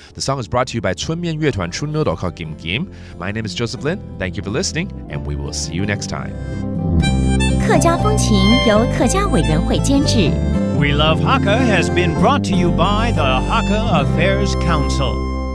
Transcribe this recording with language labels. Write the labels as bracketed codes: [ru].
[en] The song is brought to you by 春麵樂隊 ChunNoodle called gimgim. My name is Joseph Lin. Thank you for listening. And we will see you next time. [zh] 客家风情由客家委员会监制。 [en] We Love Hakka has been brought to you by the Hakka Affairs Council.